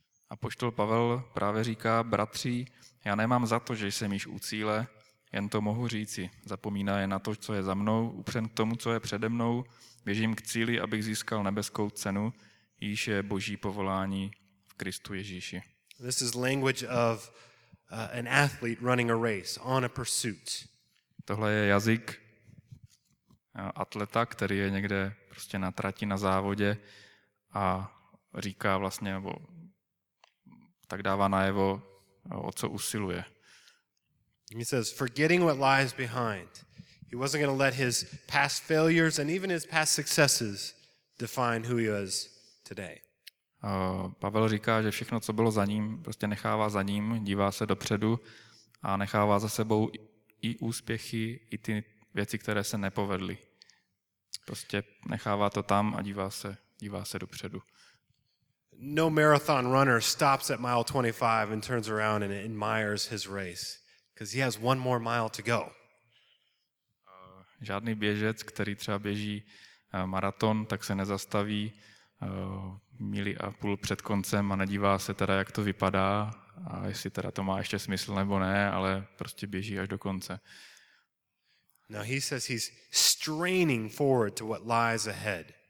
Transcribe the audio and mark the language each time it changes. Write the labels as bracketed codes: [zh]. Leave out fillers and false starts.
[cs] Apoštol Pavel právě říká, bratři, já nemám za to, že jsem již u cíle, jen to mohu říci. Zapomíná je na to, co je za mnou, upřen k tomu, co je přede mnou, běžím k cíli, abych získal nebeskou cenu, již je Boží povolání v Kristu Ježíši. [en] This is language of an athlete running a race on a pursuit. [cs] Tohle je jazyk atleta, který je někde prostě na trati, na závodě a říká vlastně, nebo tak dává najevo, o co usiluje. [en] He says, forgetting what lies behind. He wasn't going to let his past failures and even his past successes define who he is today. [cs] Pavel říká, že všechno, co bylo za ním, prostě nechává za ním, dívá se dopředu a nechává za sebou i úspěchy, i ty věci, které se nepovedly. Prostě nechává to tam a dívá se dopředu. [en] No marathon runner stops at mile 25 and turns around and admires his race because he has one more mile to go. [cs] Žádný běžec, který třeba běží maraton, tak se nezastaví míli a půl před koncem a nedívá se teda, jak to vypadá a jestli teda to má ještě smysl nebo ne, ale prostě běží až do konce. [en] Now he says he's straining forward to what lies ahead.